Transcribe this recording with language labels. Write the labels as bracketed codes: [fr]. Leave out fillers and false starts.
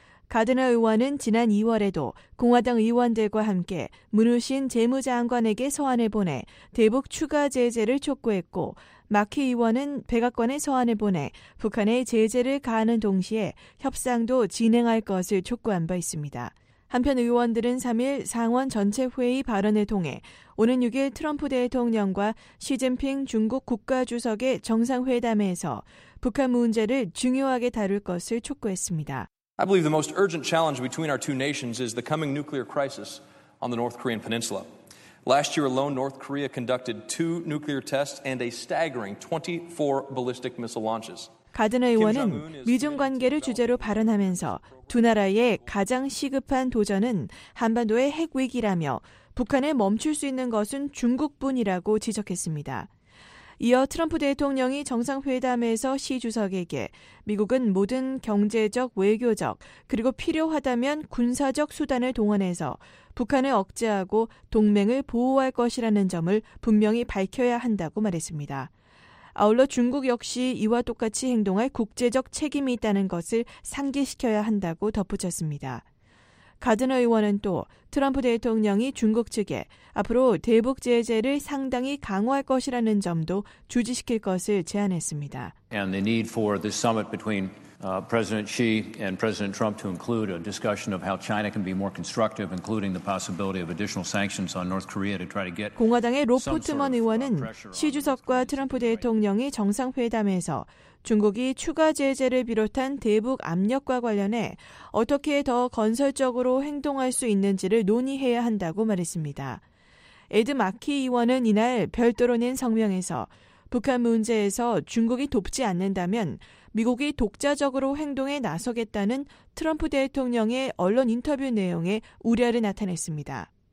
[ko] 가드너 의원은 지난 2월에도 공화당 의원들과 함께 문우신 재무장관에게 서한을 보내 대북 추가 제재를 촉구했고 마키 의원은 백악관에 서한을 보내 북한의 제재를 가하는 동시에 협상도 진행할 것을 촉구한 바 있습니다. 한편 의원들은 3일 상원 전체 회의 발언을 통해 오는 6일 트럼프 대통령과 시진핑 중국 국가주석의 정상회담에서 북한 문제를 중요하게 다룰 것을 촉구했습니다. [en] I believe the most urgent challenge between our two nations is the coming nuclear crisis on the North Korean peninsula. Last year alone, North Korea conducted two nuclear tests and a staggering 24 ballistic missile launches. [ko] 가드너 의원은 미중 관계를 주제로 발언하면서 두 나라의 가장 시급한 도전은 한반도의 핵 위기라며 북한을 멈출 수 있는 것은 중국뿐이라고 지적했습니다. 이어 트럼프 대통령이 정상회담에서 시 주석에게 미국은 모든 경제적, 외교적, 그리고 필요하다면 군사적 수단을 동원해서 북한을 억제하고 동맹을 보호할 것이라는 점을 분명히 밝혀야 한다고 말했습니다. 아울러 중국 역시 이와 똑같이 행동할 국제적 책임이 있다는 것을 상기시켜야 한다고 덧붙였습니다. 가든 의원은 또 트럼프 대통령이 중국 측에 앞으로 대북 제재를 상당히 강화할 것이라는 점도 주지시킬 것을 제안했습니다. [en] And the need for this summit between President Xi and President Trump to include a discussion of how China can be more constructive, including the possibility of additional sanctions on North Korea to try to get. [ko] 공화당의 로 포트먼 의원은 시 주석과 트럼프 대통령이 정상회담에서 중국이 추가 제재를 비롯한 대북 압력과 관련해 어떻게 더 건설적으로 행동할 수 있는지를 논의해야 한다고 말했습니다. 에드 마키 의원은 이날 별도로 낸 성명에서 북한 문제에서 중국이 돕지 않는다면 미국이 독자적으로 행동에 나서겠다는 트럼프 대통령의 언론 인터뷰 내용에 우려를 나타냈습니다.